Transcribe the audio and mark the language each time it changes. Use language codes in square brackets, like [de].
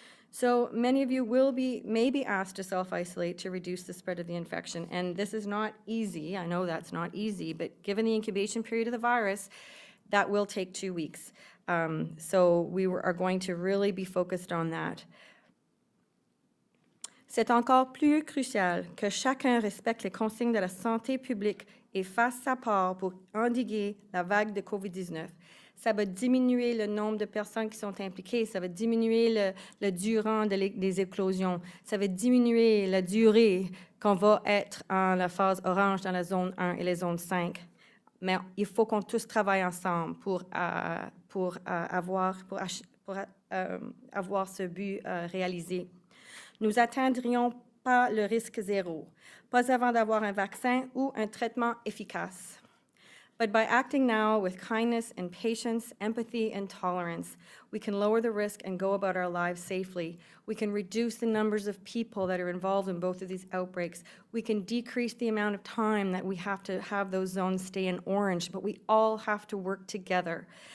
[en] So many of you may be asked to self-isolate to reduce the spread of the infection, and this is not easy. I know that's not easy, but given the incubation period of the virus, that will take 2 weeks. So we are going to really be focused on that. [fr] C'est encore plus crucial que chacun respecte les consignes de la santé publique et fasse sa part pour endiguer la vague de COVID-19. Ça va diminuer le nombre de personnes qui sont impliquées, ça va diminuer le durant des éclosions, ça va diminuer la durée qu'on va être en la phase orange dans la zone 1 et les zones 5. Mais il faut qu'on tous travaille ensemble pour avoir ce but réalisé. Nous n'atteindrions pas le risque zéro, pas avant d'avoir un vaccin ou un traitement efficace. [en] But by acting now with kindness and patience, empathy and tolerance, we can lower the risk and go about our lives safely. We can reduce the numbers of people that are involved in both of these outbreaks. We can decrease the amount of time that we have to have those zones stay in orange, but we all have to work together.